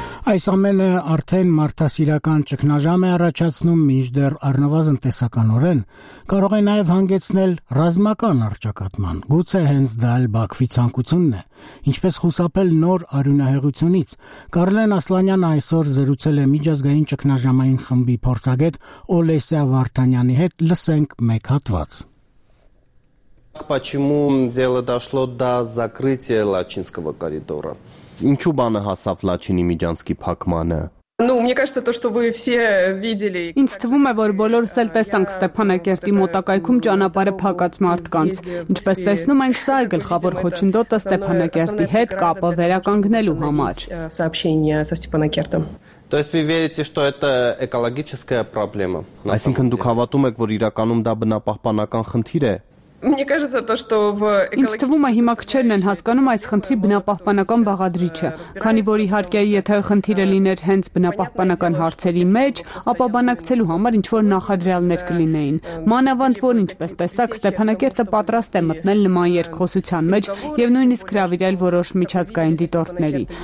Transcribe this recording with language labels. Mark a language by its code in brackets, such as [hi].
[hy] Այս ամենը արդեն մարդասիրական ճգնաժամ է առաջացնում, մինչդեռ առնվազն տեսականորեն կարող է նաև հանգեցնել ռազմական առճակատման, գուցե հենց դա էլ Բաքվի ցանկությունն է, ինչպես խուսափել նոր արյունահեղությունից, Կարլեն Ասլանյանը այսօր զրուցել է միջազգային ճգնաժամային խմբի փորձագետ Օլեսիա Վարդանյանի հետ, լսենք մեկ հատված. [ru] Почему дело дошло до закрытия Лачинского коридора? [hy] Ինչու բանը հասավ Լաչինի միջանցքի փակմանը? [ru] Ну, мне кажется, то, что вы все видели. [hy] Ինձ թվում է, որ բոլորս էլ տեսանք Ստեփանակերտի մոտակայքում ճանապարհը փակած մարդկանց։ Ինչպես տեսնում ենք, սա է գլխավոր խոչընդոտը Ստեփանակերտի հետ կապը վերականգնելու համար։ [ru] Сообщение со Степанакертом. То есть вы верите, что это экологическая проблема? [hy] Այսինքն դուք հավատում եք, որ իրականում դա բնապահպանական խնդիր է? [ru] Мне кажется, то, что в [hy] ինձ թվում է հիմա քչերն են հասկանում այս խնդրի բնապահպանական բաղադրիչը, քանի որ իհարկե եթե խնդիրը լիներ հենց բնապահպանական հարցերի մեջ, ապա բանակցելու համար ինչ որ նախադրյալներ կլինեին։ Մանավանդ որ ինչպես տեսակ Ստեփանակերտը պատրաստ է մտնել նման երկխոսության մեջ եւ նույնիսկ հրավիրել որոշ միջազգային դիտորդների,